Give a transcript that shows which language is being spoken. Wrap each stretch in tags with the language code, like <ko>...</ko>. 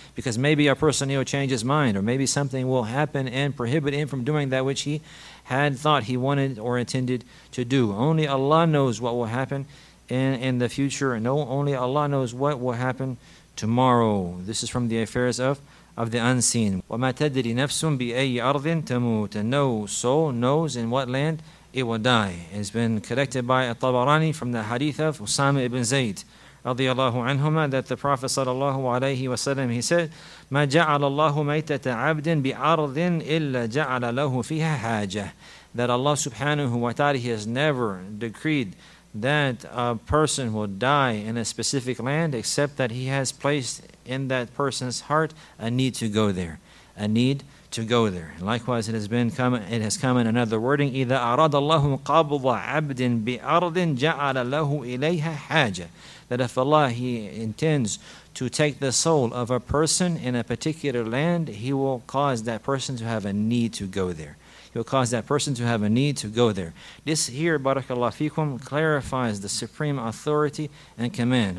<en>Because maybe a person will change his mind, or maybe something will happen and prohibit him from doing that which he had thought he wanted or intended to do. Only Allah knows what will happen in the future. No, only Allah knows what will happen tomorrow. This is from the affairs of the unseen.</en> <ar>وَمَا تَدْرِي نَفْسٌ بِأَيِّ أَرْضٍ تَمُوتَ.</ar> <en>No soul knows in what land it will die. It's been collected by At-Tabarani from the hadith of Usama ibn Zayd رضي الله عنهما that the Prophet صلى الله عليه وسلم he said,</en> <ar>ما جعل الله ميتة عبد بأرض إلا جعل له فيها حاجة.</ar> <en>That Allah subhanahu wa ta'ala, He has never decreed that a person will die in a specific land except that He has placed in that person's heart a need to go there. A need to go there. Likewise, it has come in another wording,</en> <ar>إذا أراد الله قبض عبد بأرض جعل له إليها حاجة.</ar> <en>That if Allah, He intends to take the soul of a person in a particular land, He will cause that person to have a need to go there. He will cause that person to have a need to go there. This here, barakallahu fikum, clarifies the supreme authority and command.</en>